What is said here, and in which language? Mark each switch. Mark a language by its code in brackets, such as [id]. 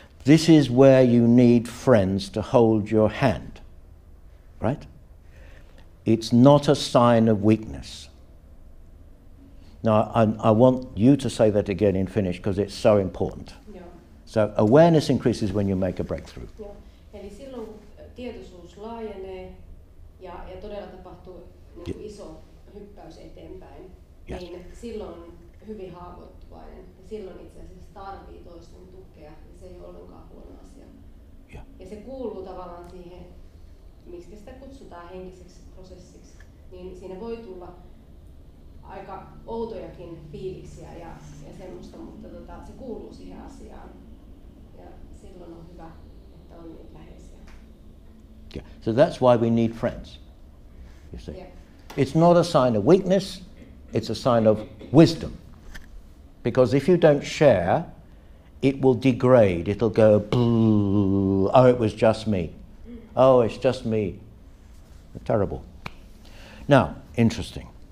[en] This is where you need friends to hold your hand, right? It's not a sign of weakness. Now, I want you to say that again in Finnish because it's so important. Yeah. So awareness increases when you make a breakthrough. Yeah. [fi] Eli silloin tietoisuus laajenee ja todella tapahtuu niin iso hyppäys eteenpäin, [en] yes. [fi] Niin silloin hyvin haavoittuvainen. Silloin itse asiassa tarvii toisten tukea ja se ei ole ollenkaan huono asia. Yeah. Ja se kuuluu tavallaan siihen, miksi sitä kutsutaan henkiseksi prosessiksi, niin siinä voi tulla aika outojakin fiiliksiä ja semmoista, mutta se kuuluu siihen asiaan. Ja silloin on hyvä, että on niitä läheisiä. [en] Yeah. So that's why we need friends. You see. Yeah. It's not a sign of weakness, it's a sign of wisdom. Because if you don't share, it will degrade, it'll go, oh, it was just me. Oh, it's just me. Terrible. Now, interesting.